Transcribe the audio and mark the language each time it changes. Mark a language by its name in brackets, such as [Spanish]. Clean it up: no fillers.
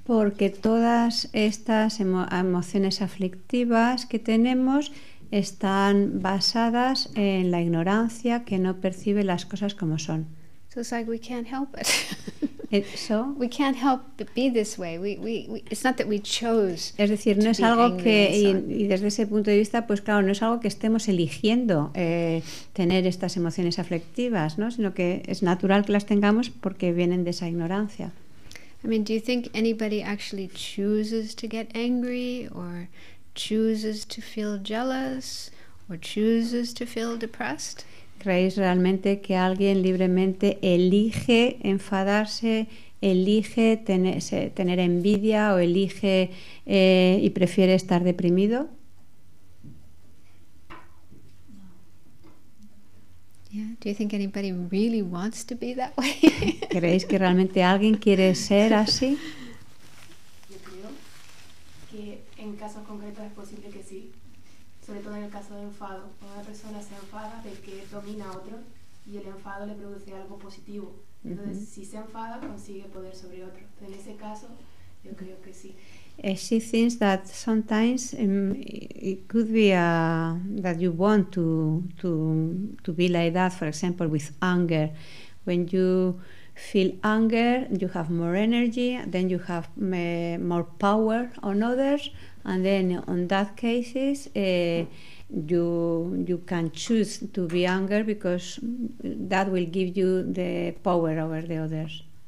[Spanish] Porque todas estas emociones aflictivas que tenemos están basadas en la ignorancia que no percibe las cosas como son. [English] So it's like we can't help it. So we can't help but be this way. We it's not that we chose. [Spanish] Es decir, no [English] to [Spanish] es algo que y desde ese punto de vista, pues claro, no es algo que estemos eligiendo tener estas emociones aflictivas, ¿no? Sino que es natural que las tengamos porque vienen de esa ignorancia. [English] I mean, do you think anybody actually chooses to get angry or chooses to feel jealous or chooses to feel depressed? [Spanish] ¿Creéis realmente que alguien libremente elige enfadarse, elige tener envidia o elige y prefiere estar deprimido? [English] Yeah. Do you think anybody really wants to be that way? [Spanish] ¿Creéis que realmente alguien quiere ser así? Yo creo que en casos concretos es posible que sí. Sobre todo en el caso de enfado, cuando una persona se enfada del que domina a otro y el enfado le produce algo positivo. Entonces, uh-huh. Si se enfada, consigue poder sobre otro. Entonces, en ese caso, yo creo que sí. [English] She thinks that sometimes it could be that you want to be like that, for example, with anger. When you feel anger, you have more energy, then you have more power on others, and then on that cases you can choose to be angry because that will give you the power over the others.